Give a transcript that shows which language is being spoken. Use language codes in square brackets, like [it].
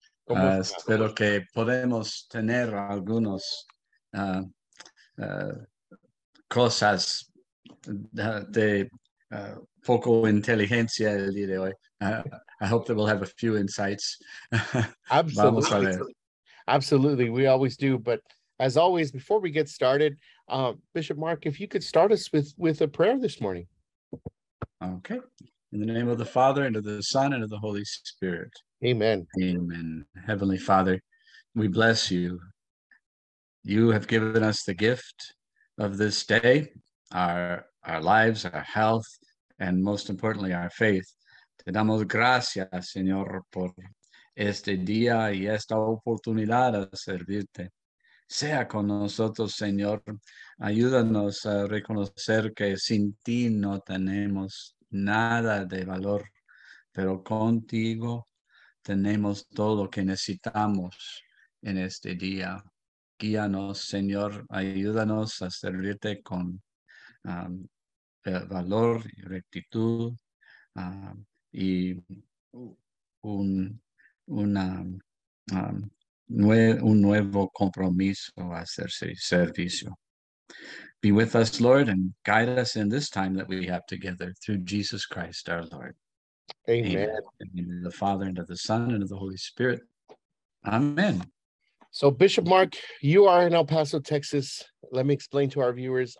[es] Espero que podemos tener algunos cosas de poco inteligencia el día de hoy. [en] I hope that we'll have a few insights. Absolutely. [es] Vamos a ver. [en] Absolutely. We always do. But as always, before we get started, Bishop Mark, if you could start us with a prayer this morning. Okay. In the name of the Father, and of the Son, and of the Holy Spirit. Amen. Amen. Heavenly Father, we bless you. You have given us the gift of this day, our lives, our health, and most importantly, our faith. [es] Te damos gracias, Señor, por este día y esta oportunidad a servirte. Sea con nosotros, Señor. Ayúdanos a reconocer que sin ti no tenemos nada de valor, pero contigo tenemos todo lo que necesitamos en este día. Guíanos, Señor, ayúdanos a servirte con valor y rectitud y un nuevo compromiso a hacer servicio. [en] Be with us, Lord, and guide us in this time that we have together through Jesus Christ, our Lord. Amen. In the name of the Father, and of the Son, and of the Holy Spirit. Amen. So, Bishop Mark, you are in El Paso, Texas. Let me explain to our viewers.